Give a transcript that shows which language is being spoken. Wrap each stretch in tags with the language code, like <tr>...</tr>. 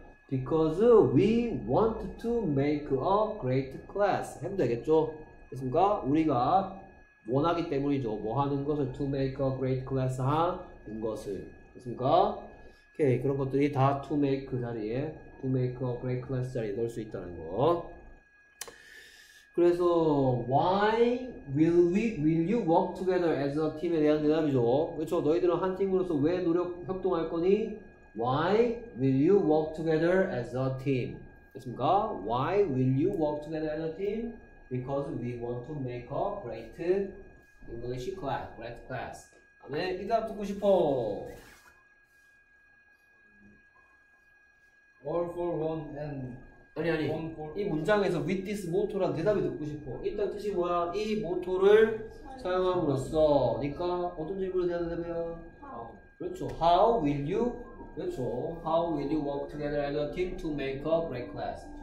<en>because we want to make a great class</en> <ko>하면 되겠죠? 됐습니까? 우리가 원하기 때문이죠. 뭐 하는 것을</ko> <en>to make a great class</en> <ko>하는 것을 됐습니까? 오케이 그런 것들이 다 to make 자리에</ko> <en>to make a great class</en> <ko>자리에 넣을 수 있다는 거 그래서</ko> <en>why will you work together as a team</en> <ko>에 대한 대답이죠. 그렇죠? 너희들은 한 팀으로서 왜 노력 협동할 거니?</ko> <en>Why will you work together as a team?</en> <ko>됐습니까?</ko> <en>Why will you work together as a team? Because we want to make a great English class. Great class.</en> <ko>다음에 이 대답 듣고 싶어.</ko> <en>All for one and</en> <ko>아니 one for 이 문장에서 with this motto라는 대답이 듣고 싶어. 일단 뜻이 뭐야? 이 motto를 사용함으로써 그러니까 어떤 질문에 대한 대답이야? 그렇죠.</ko> <en>How will you</en> <ko>그렇죠.</ko> <en>How will you work together as a team to make a great class?</en>